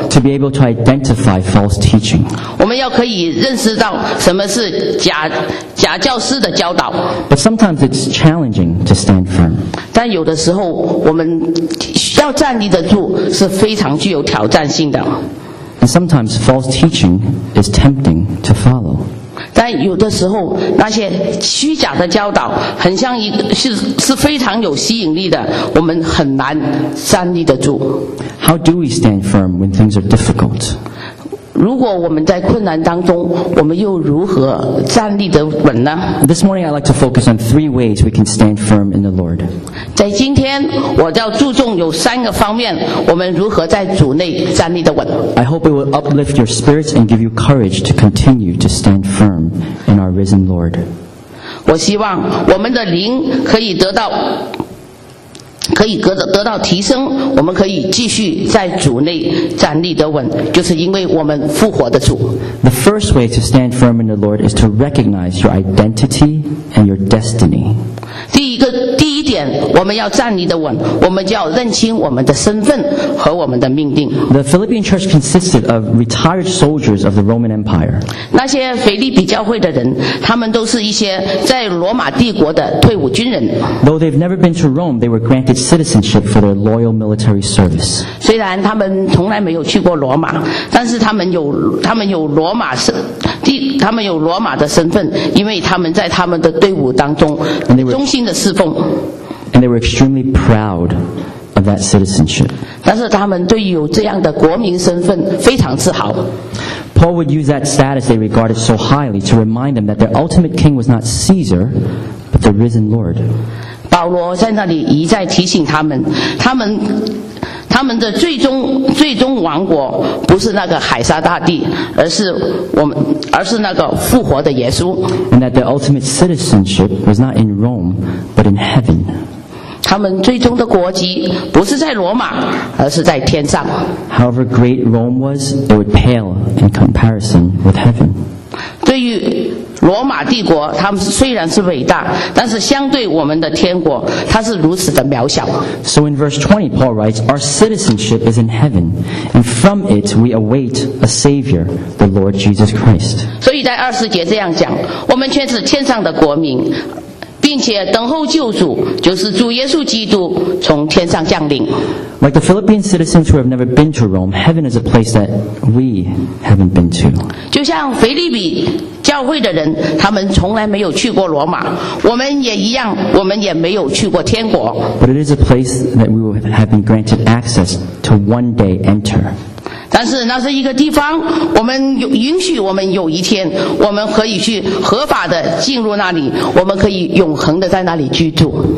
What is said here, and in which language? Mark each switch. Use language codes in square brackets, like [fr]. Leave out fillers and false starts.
[en] To be able to identify false teaching. [zh] 我们要可以认识到什么是假教师的教导。 [en] But sometimes it's challenging to stand firm. [zh] 但有的时候我们要站立得住是非常具有挑战性的。 [en] And sometimes false teaching is tempting to follow. [zh] 但有的时候那些虚假的教导很像一个 是非常有吸引力的，我们很难站立得住。 [en] How do we stand firm when things are difficult? [zh] 如果我们在困难当中，我们又如何站立得稳呢？ [en] This morning I'd like to focus on three ways we can stand firm in the Lord. [zh] 在今天我要注重有三个方面，我们如何在主内站立得稳。 [en] I hope it will uplift your spirits and give you courage to continue to stand firm in our risen Lord. [zh] 我希望我们的灵可以得到提升，我们可以继续在主内站立得稳，就是因为我们复活的主。 [en] The first way to stand firm in the Lord is to recognize your identity and your destiny. [zh] 第一点，我们要站立得稳，我们就要认清我们的身份和我们的命定。 [en] The Philippian church consisted of retired soldiers of the Roman Empire. [zh] 那些腓立比教会的人，他们都是一些在罗马帝国的退伍军人。 [en] Though they've never been to Rome, they were granted citizenship for their loyal military service. [zh] 虽然他们从来没有去过罗马，但是他们有罗马的身份，因为他们在他们的队伍当中忠心的侍奉。 [en] And they were extremely proud of that citizenship. [zh] 但是他们对于有这样的国民身份非常自豪。 [en] Paul would use that status they regarded so highly to remind them that their ultimate king was not Caesar, but the risen Lord. [zh] 保罗在那里一再提醒他们，他们的最终王国不是那个海撒大帝，而是那个复活的耶稣。 [en] And that their ultimate citizenship was not in Rome, but in heaven. [zh] 他们最终的国籍不是在罗马，而是在天上。 [en] However great Rome was, it would pale in comparison with heaven. [zh] 对于罗马帝国，他们虽然是伟大，但是相对我们的天国，它是如此的渺小。 [en] So in verse 20, Paul writes, "Our citizenship is in heaven, and from it we await a Savior, the Lord Jesus Christ." [zh] 所以在二十节这样讲，我们却是天上的国民，并且等候救主，就是主耶稣基督从天上降临。 [en] Like the Philippian citizens who have never been to Rome, heaven is a place that we haven't been to. [zh] 就像腓立比教会的人，他们从来没有去过罗马，我们也一样，我们也没有去过天国。 [en] But it is a place that we have been granted access to one day enter. [zh] 但是那是一个地方，我们允许我们有一天，我们可以去合法的进入那里，我们可以永恒的在那里居住。